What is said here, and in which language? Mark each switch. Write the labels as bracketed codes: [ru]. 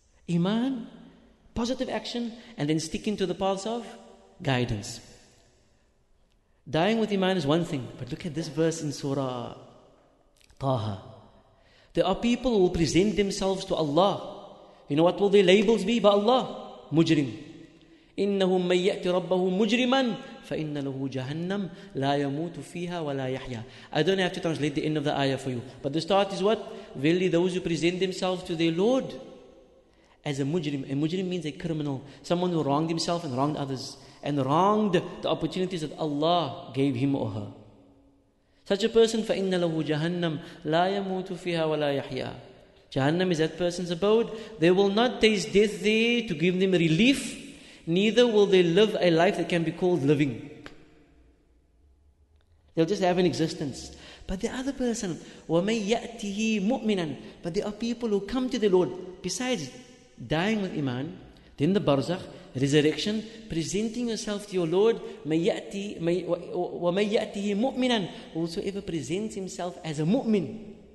[en] Iman, positive action, and then sticking to the paths of guidance. Dying with iman is one thing, but look at this verse in Surah Taha. There are people who will present themselves to Allah. You know what will their labels be? By Allah, mujrim. [ar] إِنَّهُ مَنْ يَأْتِ رَبَّهُ مُجْرِمًا فَإِنَّ لَهُ جَهَنَّمْ لَا يَمُوتُ فِيهَا وَلَا يَحْيَا [en] I don't have to translate the end of the ayah for you. But the start is what? Verily those who present themselves to their Lord as a mujrim. A mujrim means a criminal. Someone who wronged himself and wronged others. And wronged the opportunities that Allah gave him or her. Such a person, [ar] فَإِنَّ لَهُ جَهَنَّمْ لَا يَمُوتُ فِيهَا وَلَا يَحْيَا [en] Jahannam is that person's abode. They will not taste death there to give them relief, neither will they live a life that can be called living. They'll just have an existence. But the other person, [ar] وَمَنْ يَأْتِهِ مُؤْمِنًا, [en] but there are people who come to the Lord, besides dying with iman, then the barzakh, resurrection, presenting yourself to your Lord, وَمَنْ يَأْتِهِ مُؤْمِنًا, whosoever presents himself as a mu'min.